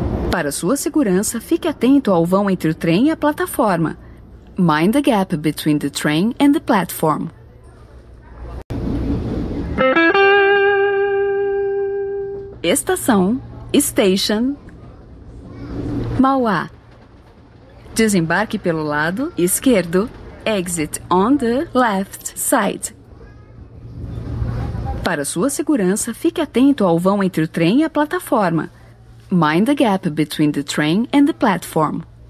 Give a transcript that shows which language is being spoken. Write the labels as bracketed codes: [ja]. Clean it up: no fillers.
[pt] Para sua segurança, fique atento ao vão entre o trem e a plataforma. [en] Mind the gap between the train and the platform. [pt] Estação, Station, Mauá. Desembarque pelo lado esquerdo. [en] Exit on the left side. [pt] Para sua segurança, fique atento ao vão entre o trem e a plataforma. [en] Mind the gap between the train and the platform.